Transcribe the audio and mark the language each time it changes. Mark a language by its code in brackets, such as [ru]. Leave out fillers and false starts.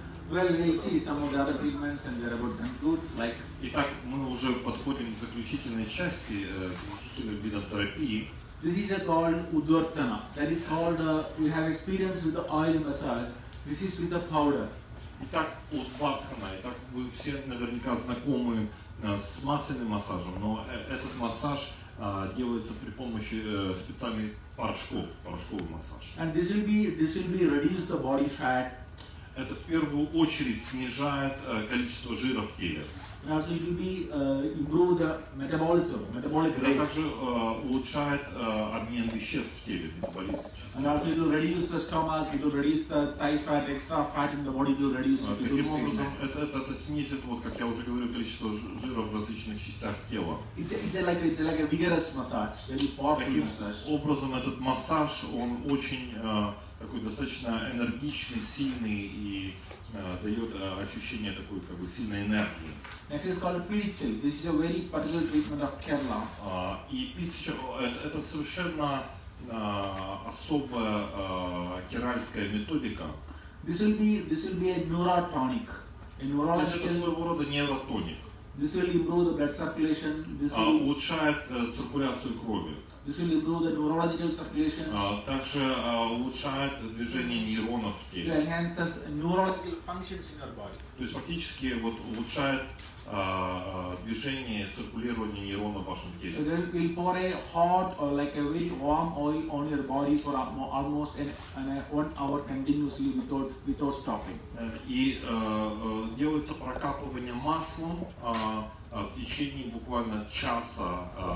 [en] Well, we'll see some of the other treatments and we're about to conclude, like... [ru] Итак, мы уже подходим к заключительной части, заключительной бинотерапии. [en] This is called Udvartana. That is called, we have experience with the oil massage. This is with the powder. [ru] Итак, Удвартхана. Итак, вы все наверняка знакомы с масляным массажем, но этот массаж делается при помощи специальных порошков, порошковый массаж. [en] And this will be reduce the body fat. [ru] Это в первую очередь снижает количество жира в теле. [en] Also it will be improve the metabolic rate. [ru] Это также улучшает обмен веществ в теле, метаболизм. [en] And also it will reduce the stomach, it will reduce the thigh fat, extra fat in the body, it will reduce. [ru] Таким образом, это снизит, вот как я уже говорил, количество жира в различных частях тела. [en] It's like a vigorous massage, very powerful massage. [ru] Таким образом, этот массаж, он очень такой достаточно энергичный, сильный и дает ощущение такой как бы сильной энергии. [en] Next is called Pidichal. This is a very particular treatment of Kerala. [ru] И Pidichal это совершенно особая керальская методика. [en] This will be a neurotonic. [ru] То есть это своего рода нейротоник. [en] This will improve the blood circulation. This will... [ru] улучшает циркуляцию крови. [en] This will improve the neurological circulation. [ru] Также улучшает движение нейронов в теле. [en] It enhances neurological functions in our body. [ru] То есть фактически вот улучшает движение, циркулирование нейронов в вашем теле. [en] So they will pour a hot or like a very warm oil on your body for almost an 1 hour continuously without stopping. [ru] И делается прокапывание маслом в течение буквально часа.